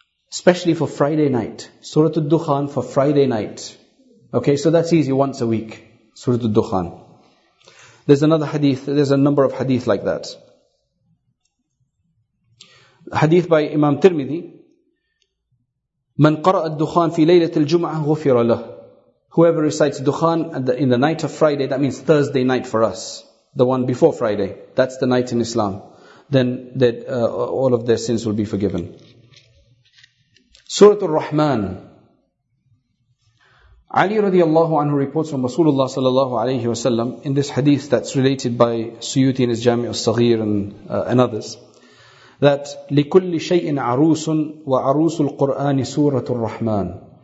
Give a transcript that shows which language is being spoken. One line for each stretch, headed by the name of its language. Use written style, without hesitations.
English: Especially for Friday night. Surah Al-Dukhan for Friday night. Okay, so that's easy, once a week. Surah Al-Dukhan. There's another hadith, there's a number of hadith like that. Hadith by Imam Tirmidhi.
Arabic: من قرأ الدخان في ليلة الجمعة غفر له.
English: Whoever recites Dukhan in the night of Friday, that means Thursday night for us, the one before Friday, that's the night in Islam, then that all of their sins will be forgiven. Surah Al-Rahman. Ali radiallahu anhu reports from Rasulullah sallallahu alayhi wa sallam in this hadith that's related by Suyuti in his Jami' al-Saghir and others, that
Arabic: لِكُلِّ شَيْءٍ عَرُوسٌ وَعَرُوسُ الْقُرْآنِ سُورَةُ الرَّحْمَانِ.